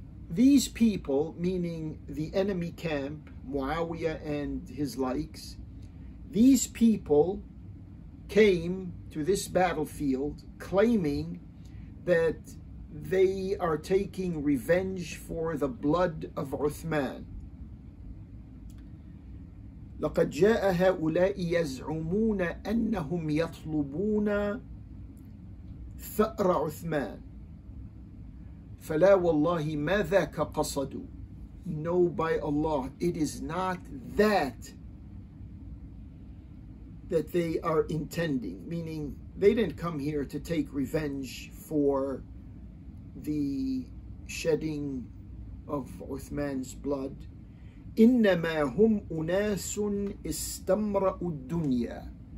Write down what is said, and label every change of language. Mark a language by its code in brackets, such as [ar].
[en] These people, meaning the enemy camp, Muawiyah and his likes, these people came to this battlefield claiming that they are taking revenge for the blood of Uthman. [ar] "لقد جاء هؤلاء يزعمون أنهم يطلبون ثأر عثمان فلا والله ما ذاك قصدوا." [en] No, by Allah, it is not that that they are intending, meaning they didn't come here to take revenge for the shedding of Uthman's blood. [ar] إِنَّمَا هُمْ أُنَاسٌ إِسْتَمْرَأُ الدُّنْيَا.